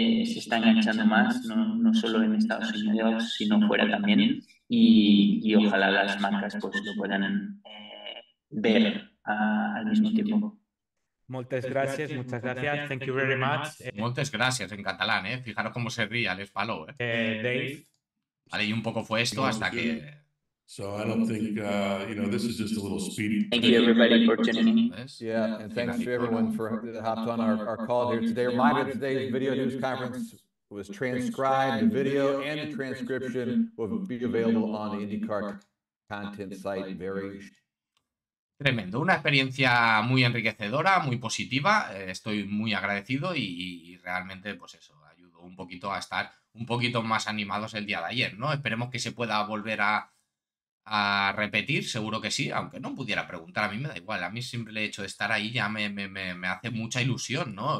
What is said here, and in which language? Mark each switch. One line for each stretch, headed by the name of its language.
Spanish: se está enganchando más, no solo en Estados Unidos, sino fuera también, y ojalá las marcas pues lo puedan ver al mismo tiempo. Moltes gracias, muchas gracias,
English: thank you very much.
Catalan: Moltes gracias
Spanish: en catalán, fijaros cómo se ríe, les palo. Dave. Vale, y un poco fue esto hasta que...
English: So I don't think, this is just a little speedy. Thank you, everybody, for tuning in. Yeah, and thanks to everyone for hopped on our call here today. Reminder, today's video news conference was transcribed. The video and the transcription will be available on the IndyCar content site very soon.
Spanish: Tremendo. Una experiencia muy enriquecedora, muy positiva. Estoy muy agradecido y realmente, pues eso, ayudó un poquito a estar un poquito más animados el día de ayer, ¿no? Esperemos que se pueda volver a repetir, seguro que sí, aunque no pudiera preguntar, a mí me da igual, a mí simple hecho de estar ahí ya me hace mucha ilusión, ¿no?